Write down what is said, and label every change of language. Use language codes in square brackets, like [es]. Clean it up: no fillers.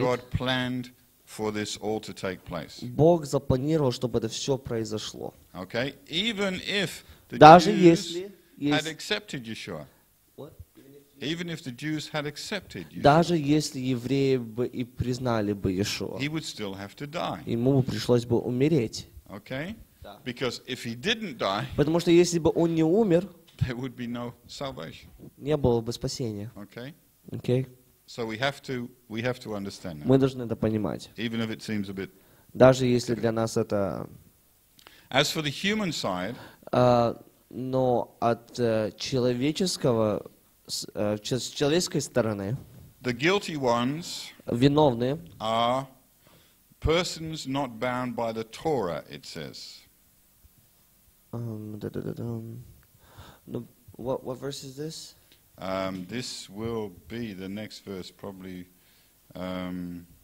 [en] God planned for this all to take place. [ru] Бог запланировал, чтобы это все произошло. [en] Okay? Even if the [ru] даже [en] Jews [ru] если [en] had accepted Yeshua. What? Even if the Jews had accepted Yeshua. [ru] Даже если евреи бы и признали бы Yeshua. [en] He would still have to die. [ru] Ему бы пришлось бы умереть. [en] Okay? [ru] Да. [en] Because if he didn't die. [ru] Потому что если бы он не умер, [en] there would be no salvation. [ru] Не было бы спасения. [en] Okay? Okay. So we have to understand that. [ru] Мы должны это понимать. [en] Even if it seems a bit. [ru] Даже если для нас это. [en] As for the human side, [ru] но от человеческого, с человеческой стороны. [en] The guilty ones [ru] виновные [en] are persons not bound by the Torah, it says. What verse is this? This will be the next verse, probably. No.